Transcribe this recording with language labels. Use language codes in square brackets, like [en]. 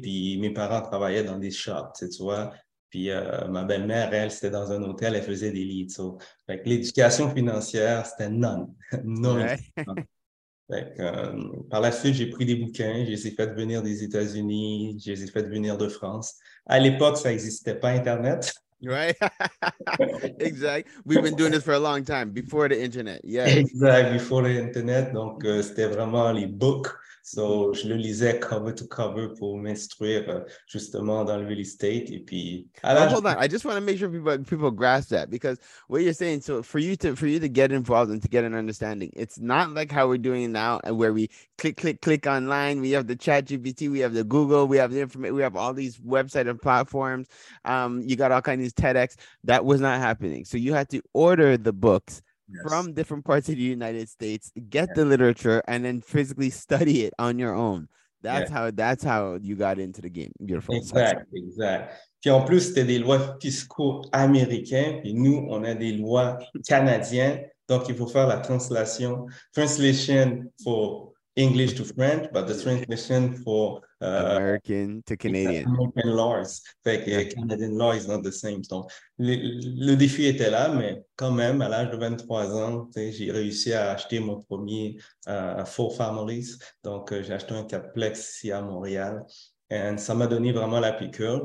[fr] Puis, mes parents travaillaient dans des shops, tu vois. Puis ma belle-mère, elle, c'était dans un hôtel, elle faisait des leads. So. Fait que l'éducation financière, c'était none. Non. Ouais. Par la suite, j'ai pris des bouquins, je les ai fait venir des États-Unis, je les ai fait venir de France. À l'époque, ça n'existait pas Internet. [en] Right? Exact. We've been doing this for a long time, before the Internet. Yes. [fr] Exact, [en] before the Internet. [fr] Donc, c'était vraiment les books. So, je le lisais [en] cover to cover [fr] pour m'instruire justement dans le real estate. Et puis, [en] Hold on. I just want to make sure people grasp that, because what you're saying, so for you to get involved and to get an understanding, it's not like how we're doing it now, where we click, click, click online. We have the ChatGPT, we have the Google, we have the information, we have all these websites and platforms. You got all kinds of TEDx. That was not happening. So, you had to order the books. Yes. From different parts of the United States, get the literature and then physically study it on your own. That's how you got into the game. Beautiful. Exact. [fr] Puis en plus, c'était des lois fiscaux américains. Puis nous, on a des lois canadiennes. Donc, il faut faire la translation. [en] Translation for English to French, but the translation for American to Canadian. American laws. [fr] Fait que [en] Canadian law is not the same. [fr] Donc, le défi était là, mais quand même, à l'âge de 23 ans, j'ai réussi à acheter mon premier [en] four families. [fr] Donc, j'ai acheté un quadplex ici à Montréal. And ça m'a donné vraiment la piqûre.